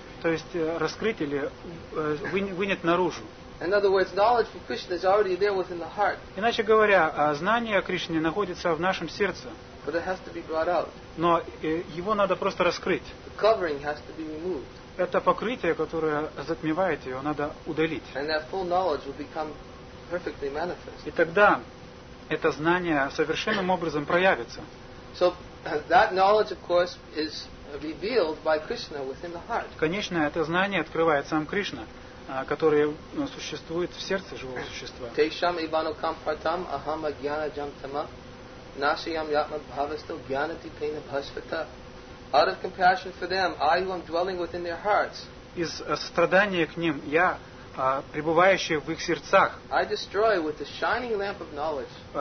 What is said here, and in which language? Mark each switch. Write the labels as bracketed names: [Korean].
[Russian] То есть раскрыть или вынять наружу. [English] In other words, knowledge for Krishna is already there within the heart. [Russian] Иначе говоря, знание о Кришне находится в нашем сердце. [English] But it has to be brought out. [Russian] Но его надо просто раскрыть. [English] The covering has to be removed. [Russian] Это покрытие, которое затмевает ее, надо удалить. [English] And that full knowledge will become perfectly manifest. [Russian] И тогда это знание совершенным образом проявится. [English] So that knowledge, of course, is revealed by Krishna within the heart. [Russian] Конечно, это знание открывает сам Кришна, которые существуют в сердце живого существа. [Sanskrit] Тейшам ивану кампартам ахама гьяна джамтама насиям ятма бхавасто гьяна типейна бхасвата. [English] Out of compassion for them, I who am dwelling within their hearts. [Russian] Из страдания к ним, я, пребывающий в их сердцах, [English] I destroy with the shining lamp of knowledge.